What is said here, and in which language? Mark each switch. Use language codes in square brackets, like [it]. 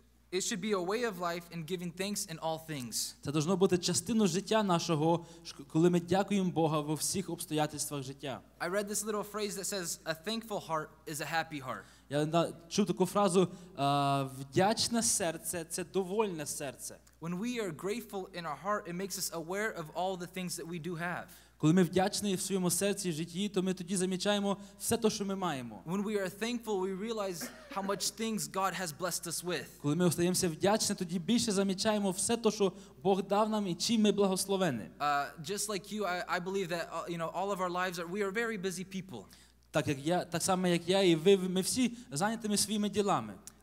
[en] It should be a way of life in giving thanks in all things. [uk] Це должно бути частиною життя нашого, коли ми дякуємо Бога во всіх обстоятельствах життя. [en] I read this little phrase that says a thankful heart is a happy heart. [uk] Я чув таку фразу: вдячне серце це довольне серце. [en] When we are grateful in our heart, it makes us aware of all the things that we do have. [uk] Коли ми вдячні в своєму серці і житті, то ми тоді замічаємо все те, що ми маємо. [en] When we are thankful, we realize how much things God has blessed us with. [uk] Коли ми остаємося вдячні, тоді більше замічаємо все те, що Бог дав нам і чим ми благословені. [en] Just like you, I believe that you know, all of our lives are, we are very busy people. [uk] Так само як я і ви, ми всі зайнятими своїми ділами.